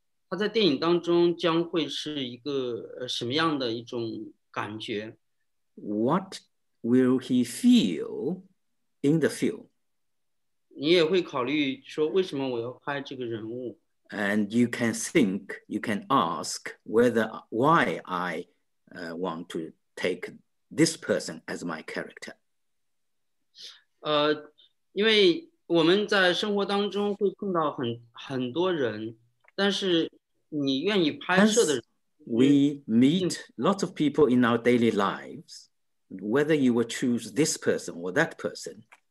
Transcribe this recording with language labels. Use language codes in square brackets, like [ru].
[zh] 他在电影当中将会是一个什么样的一种感觉？ [en] What will he feel in the film? [zh] 你也会考虑说为什么我要拍这个人物？ [en] And you can think, you can ask whether, why I want to take this person as my character. [zh] 因为我们在生活当中会碰到 很多人，但是你愿意拍摄的人， [en] We meet lots of people in our daily lives, whether you will choose this person or that person.